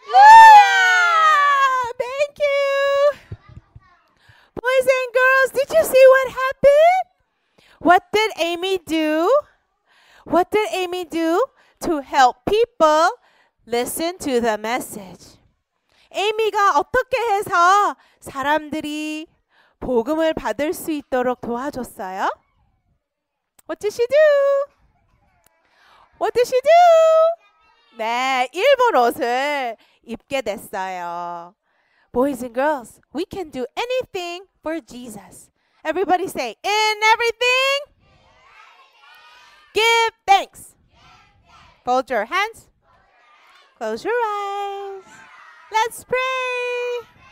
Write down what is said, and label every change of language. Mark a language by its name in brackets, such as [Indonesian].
[English] Yeah! Thank you! Boys and girls, did you see what happened? What did Amy do? What did Amy do to help people listen to the message? [Korean] Amy가 어떻게 해서 사람들이 복음을 받을 수 있도록 도와줬어요? [English] What did she do? What did she do? [Korean] 네, 일본 옷을 입게 됐어요. [English] Boys and girls, we can do anything for Jesus. Everybody say, in everything, give thanks. Fold your hands. Close your eyes. Let's pray.